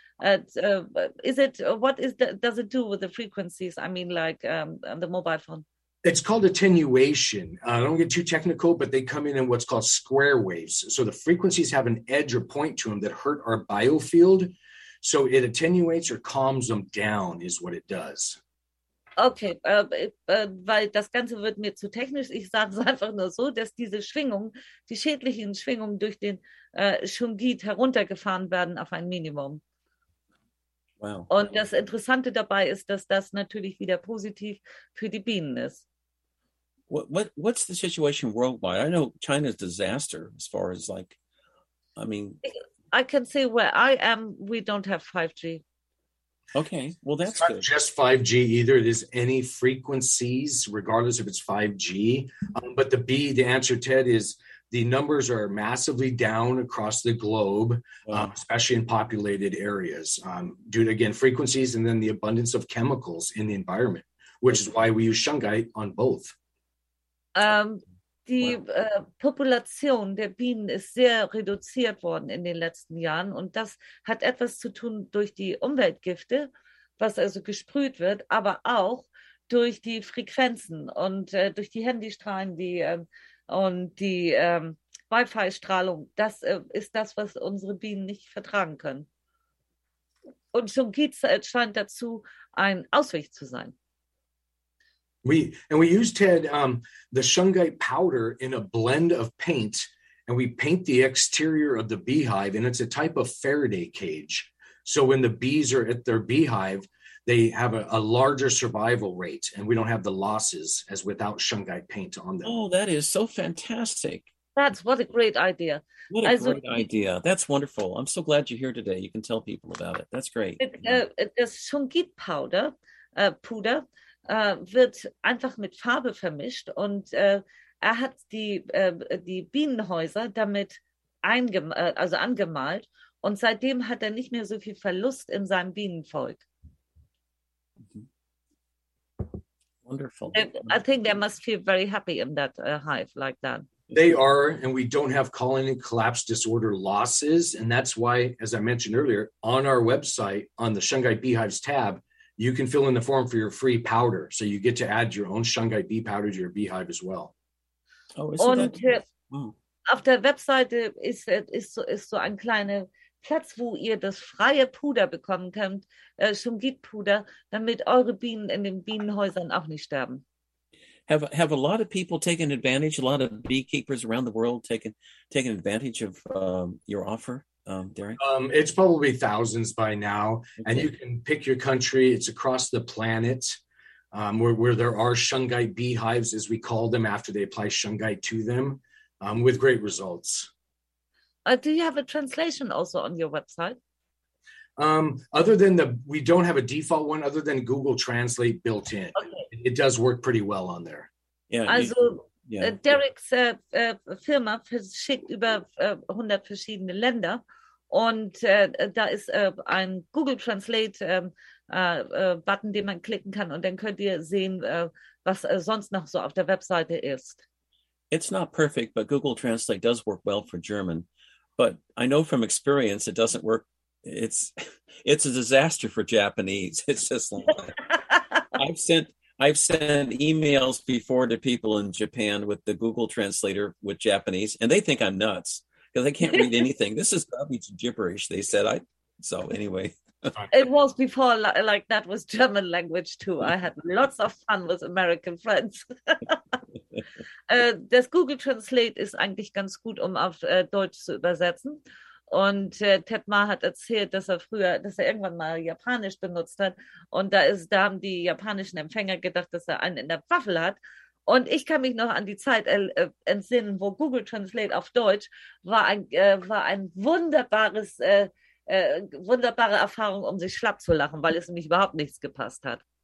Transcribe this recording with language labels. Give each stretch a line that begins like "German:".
English: Does it do with the frequencies? I mean, like the mobile phone. It's called attenuation. I don't get too technical, but they come in what's called square waves. So the frequencies have an edge or point to them that hurt our biofield. So it attenuates or calms them down is what it does.
German: Okay, weil das Ganze wird mir zu technisch. Ich sage es einfach nur so, dass diese Schwingungen, die schädlichen Schwingungen durch den Shungite heruntergefahren werden auf ein Minimum.
English: Wow.
German: Und das Interessante dabei ist, dass das natürlich wieder positiv für die Bienen ist.
English: What's the situation worldwide? I know China's disaster as far as like, I mean. I can say where I am, we don't have 5G. Okay, well, that's good. It's not just 5G either. It is any frequencies, regardless if it's 5G. But the answer, Ted, is the numbers are massively down across the globe, especially in populated areas, due to, again, frequencies and then the abundance of chemicals in the environment, which is why we use Shungite on both.
German: Population der Bienen ist sehr reduziert worden in den letzten Jahren. Und das hat etwas zu tun durch die Umweltgifte, was also gesprüht wird, aber auch durch die Frequenzen und durch die Handystrahlen, die... Und die Wi-Fi-Strahlung, das ist das, was unsere Bienen nicht vertragen können. Und Shungite scheint dazu ein Ausweg zu sein.
English: We use, Ted, the Shungite powder in a blend of paint, and we paint the exterior of the beehive, and it's a type of Faraday cage. So when the bees are at their beehive, they have a larger survival rate, and we don't have the losses as without Shungite paint on them. Oh, that is so fantastic. That's what a great idea. That's wonderful. I'm so glad you're here today. You can tell people about it. That's great.
German: Das Shungite Puder wird einfach mit Farbe vermischt, und er hat die Bienenhäuser damit angemalt, und seitdem hat er nicht mehr so viel Verlust in seinem Bienenvolk.
English: Wonderful. I think they must feel very happy in that hive like that. They are, and we don't have colony collapse disorder losses. And that's why, as I mentioned earlier, on our website, on the Shungite Beehives tab, you can fill in the form for your free powder. So you get to add your own Shungite Bee powder to your beehive as well. Oh, isn't that nice?
German: Auf der Webseite ist so ein kleiner Platz, wo ihr das freie Puder bekommen könnt, Shungite-Puder, damit eure Bienen in den Bienenhäusern auch nicht sterben.
English: Have a lot of people taken advantage, a lot of beekeepers around the world taken advantage of your offer, Derek? It's probably thousands by now, okay. And you can pick your country. It's across the planet. where there are shungite beehives, as we call them, after they apply shungite to them, with great results. Do you have a translation also on your website? We don't have a default one other than Google Translate built in. Okay. It does work pretty well on there. Yeah. Also, yeah.
German: Derek's Firma verschickt über 100 verschiedene Länder, und da ist ein Google Translate Button, den man klicken kann, und dann könnt ihr sehen, was sonst noch so auf der Webseite ist.
English: It's not perfect, but Google Translate does work well for German. But I know from experience, it doesn't work. It's a disaster for Japanese. It's just like, I've sent emails before to people in Japan with the Google Translator with Japanese, and they think I'm nuts because I can't read anything. This is garbage gibberish, they said. So anyway. It was before, like, that was German language too. I had lots of fun with American friends.
German: Das Google Translate ist eigentlich ganz gut, um auf Deutsch zu übersetzen. Und Ted Ma hat erzählt, dass er irgendwann mal Japanisch benutzt hat. Und da haben die japanischen Empfänger gedacht, dass er einen in der Waffel hat. Und ich kann mich noch an die Zeit entsinnen, wo Google Translate auf Deutsch war eine wunderbare Erfahrung, um sich schlapp zu lachen, weil es nämlich überhaupt nichts gepasst hat.